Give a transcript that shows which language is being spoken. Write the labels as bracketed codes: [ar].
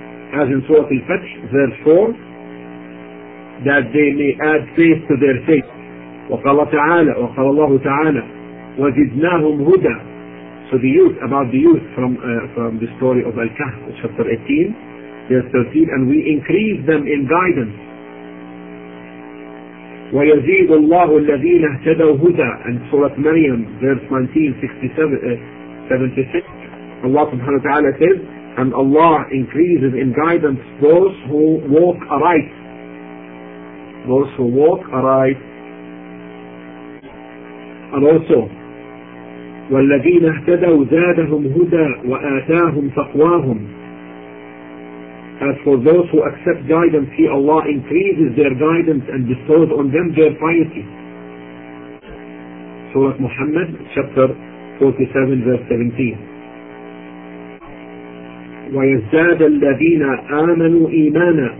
[en] As in Surah Al-Fath, verse 4, that they may add faith to their faith. [ar] وقال الله تعالى وزدناهم هدى. [en] So the youth, about the youth from the story of Al-Kahf, chapter 18, verse 13, and we increase them in guidance. [ar] ويزيد الله الذين اهتدوا هدى. [en] And Surah Maryam, verse 1976, Allah subhanahu wa ta'ala says, and Allah increases in guidance those who walk aright. Those who walk aright. And also, [ar] وَالَّذِينَ اهْتَدَوْ زَادَهُمْ هُدَى وَآتَاهُمْ تَقْوَاهُمْ. [en] As for those who accept guidance, see, Allah increases their guidance and bestows on them their piety. Surah Muhammad, chapter 47, verse 17. [ar] وَيَزْدَادَ الَّذِينَ آمَنُوا إِيمَانًا.